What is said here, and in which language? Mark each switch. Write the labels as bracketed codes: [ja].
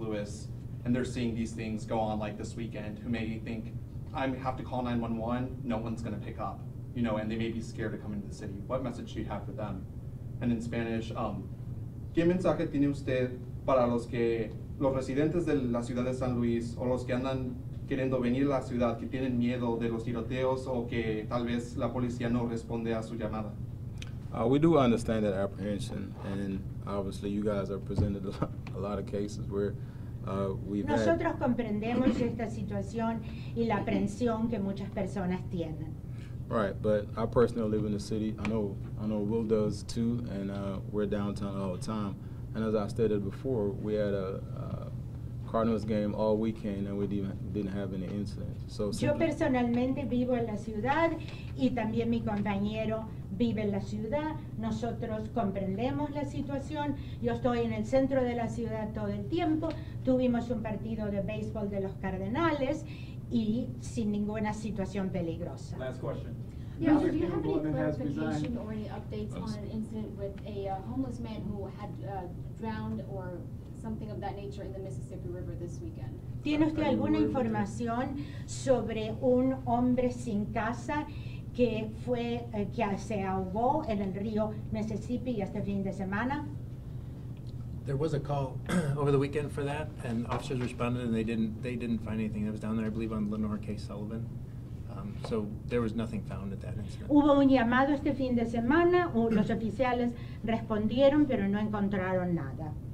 [en] Louis and they're seeing these things go on like this weekend who may think, I have to call 911, no one's gonna pick up, you know, and they may be scared to come into the city. What message do you have for them? And in Spanish, [es] ¿qué mensaje tiene usted para los que, los residentes de la ciudad de San Luis o los que andan queriendo venir a la ciudad que tienen miedo de los tiroteos o que tal vez la policía no responde a su llamada? [en] We do understand that apprehension, and obviously you guys have presented a lot of cases where we've [es] Nosotros [en] had, [es] comprendemos esta situación y la aprensión que muchas personas tienen. [en] Right, but I personally live in the city. I know Will does too, and we're downtown all the time. And as I stated before, we had a Cardinals game all weekend and we didn't have any incidents. So [es] yo personalmente vivo en la ciudad y también mi compañero vive en la ciudad. Nosotros comprendemos la situación. Yo estoy en el centro de la ciudad todo el tiempo. Tuvimos un partido de béisbol de los Cardenales y sin ninguna situación peligrosa. [en] Last question. Yeah, do you have any clarification or any updates on an incident with a homeless man who had drowned or something of that nature in the Mississippi River this weekend? [es] ¿Tiene usted alguna información sobre un hombre sin casa que se ahogó en el río Mississippi este fin de semana? [en] There was a call over the weekend for that, and officers responded, and they didn't find anything. That was down there, I believe, on Lenore K. Sullivan. So there was nothing found at that incident. [es] Hubo un llamado este fin de semana. Los oficiales respondieron, pero no encontraron nada.